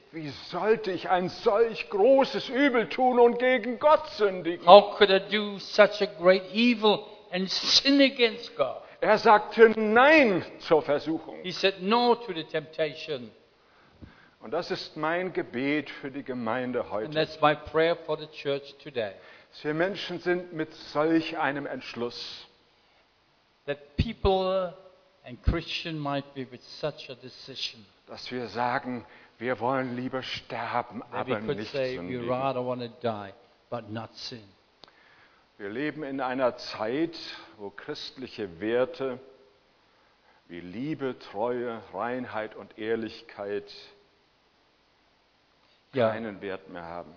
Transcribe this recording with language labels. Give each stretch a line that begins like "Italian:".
German: Wie sollte ich ein solch großes Übel tun und gegen Gott sündigen?
English: How could I do such a great evil and sin against God?
German: Er sagte Nein zur Versuchung.
English: He said no to the temptation.
German: Und das ist mein Gebet für die Gemeinde heute.
English: And that's my prayer for the church today.
German: Wir Menschen sind mit solch einem Entschluss.
English: That people and Christian might be with such a decision.
German: Dass wir sagen, wir wollen lieber sterben, aber nicht sündigen.
English: We could say we rather want to die, but not sin.
German: Wir leben in einer Zeit, wo christliche Werte wie Liebe, Treue, Reinheit und Ehrlichkeit keinen Wert mehr haben.